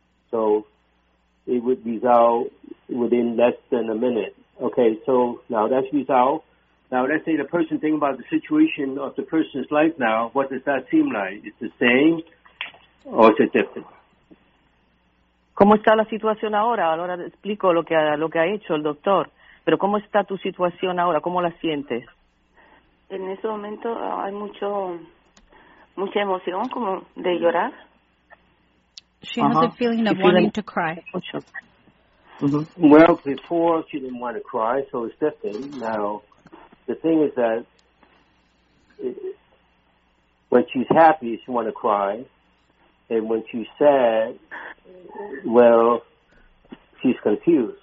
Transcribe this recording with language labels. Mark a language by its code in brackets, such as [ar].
[en] So it would resolve within less than a minute. Okay, so now that's resolved. Now let's say the person thinks about the situation of the person's life now. What does that seem like? It's the same [es] o se acepta. ¿Cómo está la situación ahora? Ahora te explico lo que ha hecho el doctor. Pero ¿cómo está tu situación ahora? ¿Cómo la sientes? En ese momento hay mucho mucha emoción, como de llorar. [en] She has a feeling of wanting to cry. Well, before she didn't want to cry, so it's different. Now, the thing is that when she's happy, she wants to cry. And when she's sad, well, she's confused.